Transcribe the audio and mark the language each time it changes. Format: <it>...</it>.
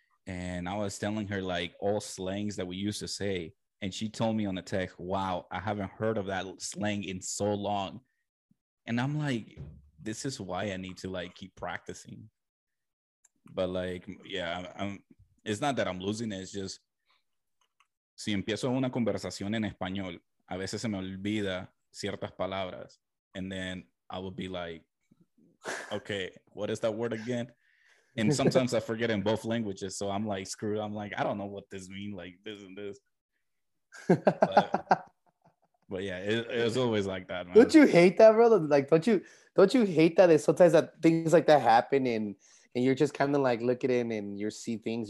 <en>And I was telling her, like, all slangs that we used to say. And she told me on the text, wow, I haven't heard of that slang in so long. And I'm like, this is why I need to, like, keep practicing. But, like, yeah, it's not that I'm losing it. It's just,</en> <es>si empiezo una conversación en español, a veces se me olvida ciertas palabras.</es> <en>And then I would be like, okay, what is that word again? And sometimes I forget in both languages. So I'm like, screwed. I'm like, I don't know what this means. Like this and this. But yeah, it was always like that, man. Don't you hate that, brother? Like, don't you hate that sometimes that things like that happen and you're just kind of like looking and you see things.</en>